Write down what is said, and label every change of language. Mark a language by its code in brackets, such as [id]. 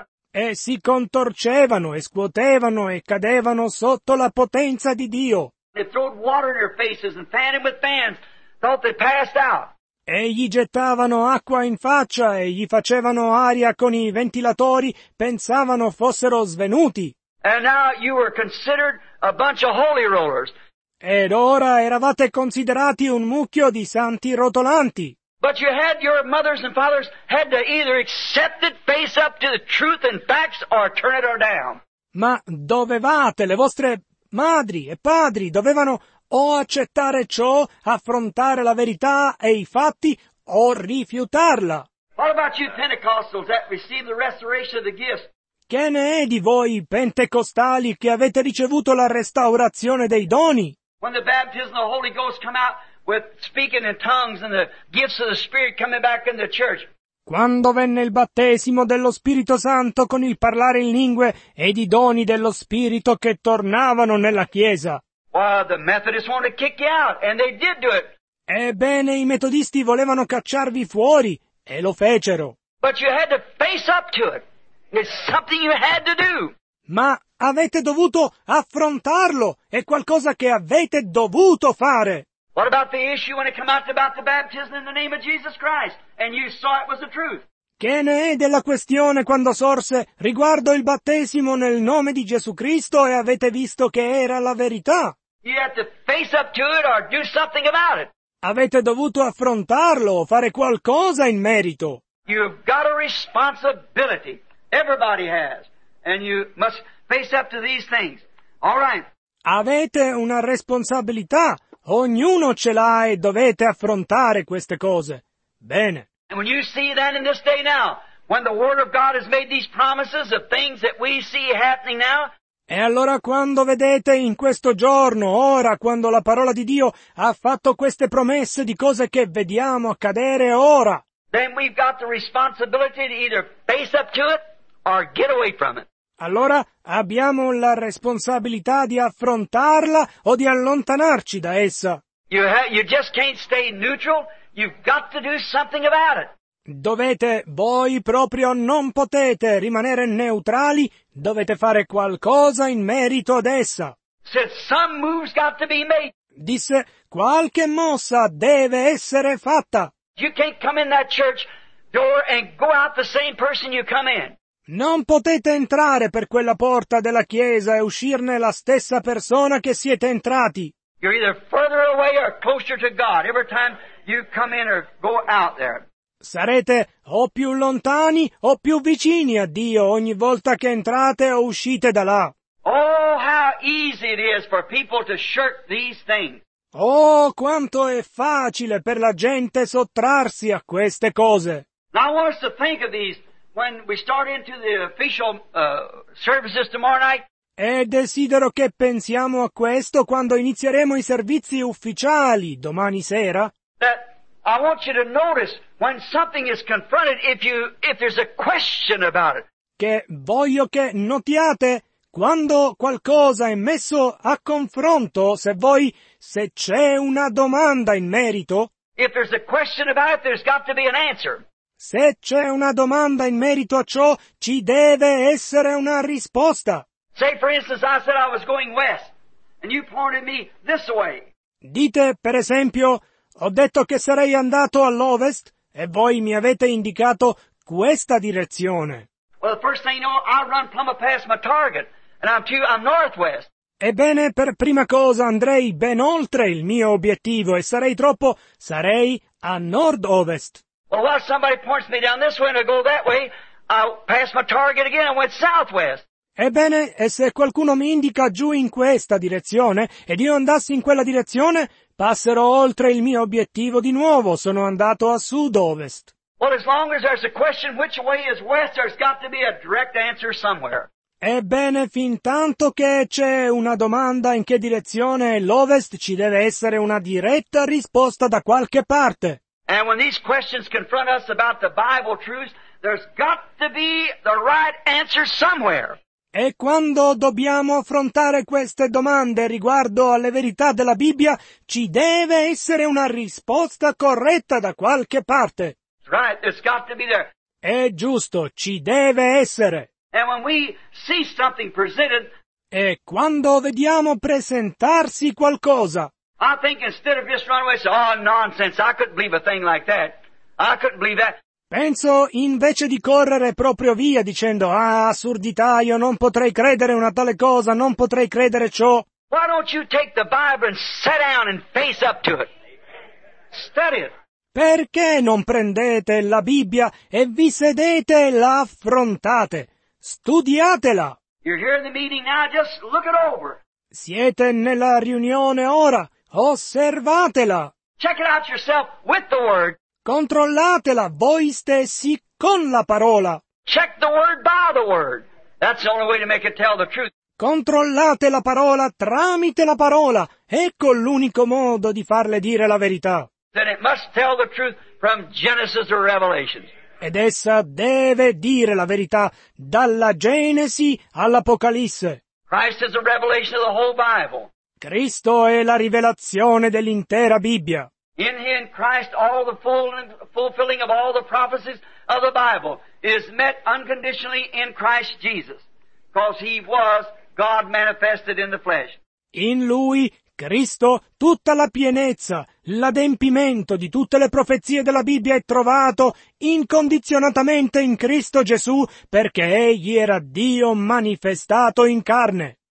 [it] E si contorcevano e scuotevano e cadevano sotto la potenza di Dio. [en] They throwed water in their faces and fanned them with fans. Thought they passed out. [it] E gli gettavano acqua in faccia e gli facevano aria con i ventilatori. Pensavano fossero svenuti. [en] And now you were considered a bunch of holy rollers. [it] Ed ora eravate considerati un mucchio di santi rotolanti. [en] But you had your mothers and fathers had to either accept it, face up to the truth and facts, or turn it or down. [it] Ma dovevate le vostre madri e padri dovevano o accettare ciò, affrontare la verità e i fatti, o rifiutarla. [en] What about you Pentecostals that received the restoration of the gifts? [it] Che ne è di voi pentecostali che avete ricevuto la restaurazione dei doni? [en] When the baptism of the Holy Ghost come out with speaking in tongues and the gifts of the Spirit coming back in the church. [it] Quando venne il battesimo dello Spirito Santo con il parlare in lingue ed i doni dello Spirito che tornavano nella Chiesa. [en] Well, the Methodists wanted to kick you out, and they did do it. [it] Ebbene, i metodisti volevano cacciarvi fuori, e lo fecero. [en] But you had to face up to it. It's something you had to do. [it] Ma avete dovuto affrontarlo. È qualcosa che avete dovuto fare. [en] What about the issue when it came out about the baptism in the name of Jesus Christ and you saw it was the truth? [it] Che ne è della questione quando sorse riguardo il battesimo nel nome di Gesù Cristo e avete visto che era la verità? [en] You had to face up to it or do something about it. [it] Avete dovuto affrontarlo o fare qualcosa in merito. [en] You've got a responsibility. Everybody has. And you must face up to these things. All right. [it] Avete una responsabilità. Ognuno ce l'ha e dovete affrontare queste cose. Bene. [en] And when you see that in this day now, when the Word of God has made these promises of things that we see happening now, [it] e allora quando vedete in questo giorno, ora, quando la parola di Dio ha fatto queste promesse di cose che vediamo accadere ora, [en] then we've got the responsibility to either face up to it or get away from it. [it] Allora abbiamo la responsabilità di affrontarla o di allontanarci da essa. [en] You just can't stay neutral. You've got to do something about it. [it] Dovete, voi proprio non potete rimanere neutrali, dovete fare qualcosa in merito ad essa. [en] Said, some move's got to be made. [it] Disse, qualche mossa deve essere fatta. [en] You can't come in that church door and go out the same person you come in. [it] Non potete entrare per quella porta della chiesa e uscirne la stessa persona che siete entrati. [en] You're either further away or closer to God every time you come in or go out there. [it] Sarete o più lontani o più vicini a Dio ogni volta che entrate o uscite da là. [en] Oh, how easy it is for people to shirk these things. [it] Oh, quanto è facile per la gente sottrarsi a queste cose. [en] Now I want us to think of these when we start into the official services tomorrow night. [it] E desidero che pensiamo a questo quando inizieremo i servizi ufficiali domani sera. [en] That I want you to notice when something is confronted, if there's a question about it. [it] Che voglio che notiate quando qualcosa è messo a confronto, se c'è una domanda in merito. [en] If there's a question about it, there's got to be an answer. [it] Se c'è una domanda in merito a ciò, ci deve essere una risposta. [en] Say, for instance, I said I was going west, and you pointed me this way. [it] Dite, per esempio, ho detto che sarei andato all'ovest e voi mi avete indicato questa direzione. [en] Well, the first thing you know, I run plumb past my target and I'm northwest. [it] Ebbene, per prima cosa andrei ben oltre il mio obiettivo e sarei a nord-ovest. [en] Well, while somebody points me down this way and I go that way, I pass my target again and went southwest. [it] Ebbene, e se qualcuno mi indica giù in questa direzione ed io andassi in quella direzione, passerò oltre il mio obiettivo di nuovo, sono andato a sud-ovest. [en] Well, as long as there's a question which way is west, there's got to be a direct answer somewhere. [it] Ebbene, fin tanto che c'è una domanda in che direzione è l'ovest, ci deve essere una diretta risposta da qualche parte. [en] And when these questions confront us about the Bible truths, there's got to be the right answer somewhere. [it] E quando dobbiamo affrontare queste domande riguardo alle verità della Bibbia, ci deve essere una risposta corretta da qualche parte. [en] Right, it's got to be there. [it] È giusto, ci deve essere. [en] And when we see something presented, [it] e quando vediamo presentarsi qualcosa, [en] I think instead of just running away, say, oh, nonsense, I couldn't believe a thing like that. I couldn't believe that. [it] Penso invece di correre proprio via dicendo, ah, assurdità, io non potrei credere una tale cosa, non potrei credere ciò. [en] Why don't you take the Bible and sit down and face up to it? Study it. [it] Perché non prendete la Bibbia e vi sedete e la affrontate? Studiatela. [en] You're here in the meeting now, just look it over. [it] Siete nella riunione ora, osservatela. [en] Check it out yourself with the Word. [it] Controllatela voi stessi con la parola. [en] Check the word by the word. That's the only way to make it tell the truth. [it] Controllate la parola tramite la parola. Ecco l'unico modo di farle dire la verità. [en] Then it must tell the truth from Genesis or Revelation. [it] Ed essa deve dire la verità dalla Genesi all'Apocalisse. [en] Christ is the revelation of the whole Bible. [it] Cristo è la rivelazione dell'intera Bibbia. [en] In him, Christ, all the fulfilling of all the prophecies of the Bible is met unconditionally in Christ Jesus, because he was God manifested in the flesh. [it] In lui, Cristo, tutta la pienezza, l'adempimento di tutte le profezie della Bibbia è trovato incondizionatamente in Cristo Gesù, perché egli era Dio manifestato in carne.